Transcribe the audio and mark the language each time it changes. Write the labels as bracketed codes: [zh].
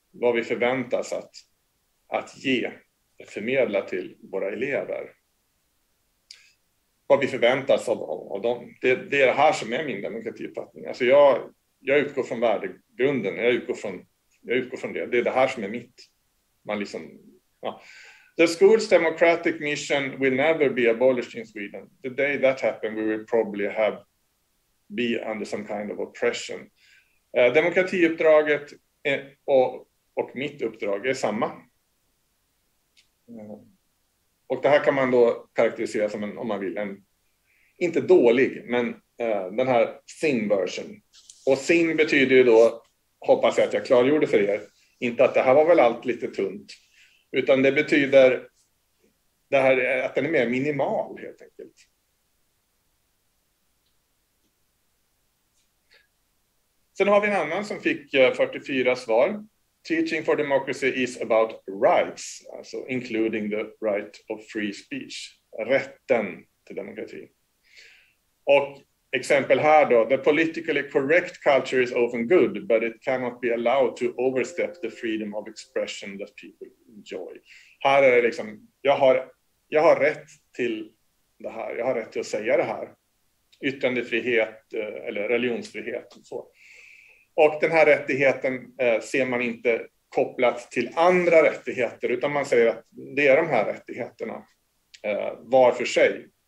[sv] Vad vi förväntas att ge, förmedla till våra elever. Vad vi förväntas av dem. Det är det här som är min demokratiuppfattning. Alltså jag utgår från värdegrunden. Jag utgår från det. Det är det här som är mitt. Man liksom, ja. [en] The school's democratic mission will never be abolished in Sweden. The day that happened, we will probably be under some kind of oppression. [sv] Demokratiuppdraget och mitt uppdrag är samma. Och det här kan man då karakterisera som en, om man vill, en inte dålig, men den här sin-version. Och sin betyder ju då, hoppas jag att jag klargjorde för er, inte att det här var väl allt lite tunt, utan det betyder det här, att den är mer minimal helt enkelt. Sen har vi en annan som fick 44 svar. [en] Teaching for democracy is about rights, [sv] alltså [en] including the right of free speech, [sv] rätten till demokrati. Och exempel här då, [en] the politically correct culture is often good, but it cannot be allowed to overstep the freedom of expression that people enjoy. [sv] Här är det liksom, jag har rätt till det här, jag har rätt till att säga det här. Yttrandefrihet eller religionsfrihet och så. Och den här rättigheten ser man inte kopplat till andra rättigheter, utan man säger att det är de här rättigheterna var för sig.